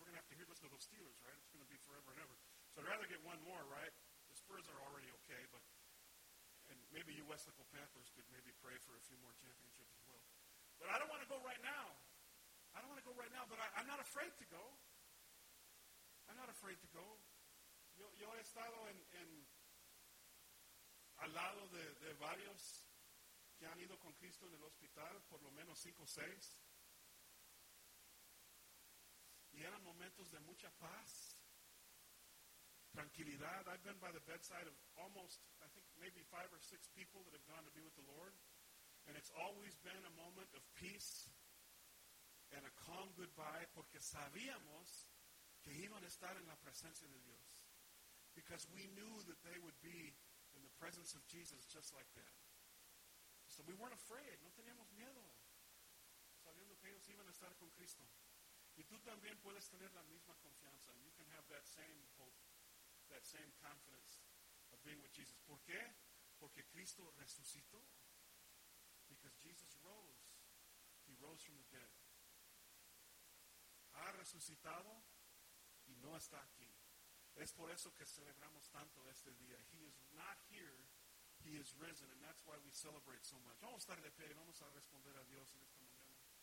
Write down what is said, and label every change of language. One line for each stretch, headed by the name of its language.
English: We're going to have to hear this to those Steelers, right? It's going to be forever and ever. So I'd rather get one more, right? The Spurs are already okay, but and maybe you Westlake Panthers could maybe pray for a few more championships as well. But I don't want to go right now. I don't want to go right now, but I'm not afraid to go. I'm not afraid to go.
Spanish: Yo he estado en al lado de varios que han ido con Cristo en el hospital, por lo menos 5 o 6. Y eran momentos de mucha paz, tranquilidad.
English: I've been by the bedside of almost, I think, maybe 5 or 6 people that have gone to be with the Lord. And it's always been a moment of peace and a calm goodbye
Spanish: porque sabíamos que iban a estar en la presencia de Dios.
English: Because we knew that they would be in the presence of Jesus just like that. So we weren't afraid.
Spanish: No teníamos miedo. Sabiendo que ellos iban a estar con Cristo. Y tú también puedes tener la misma confianza.
English: You can have that same hope, that same confidence of being with Jesus.
Spanish: ¿Por qué? Porque Cristo resucitó.
English: Because Jesus rose. He rose from the dead.
Spanish: ha resucitado y no está aquí. Es por eso que celebramos tanto este día.
English: He is not here, he is risen, and that's why we celebrate so much.
Spanish: Vamos a estar de pie y vamos a responder a Dios en esta mañana.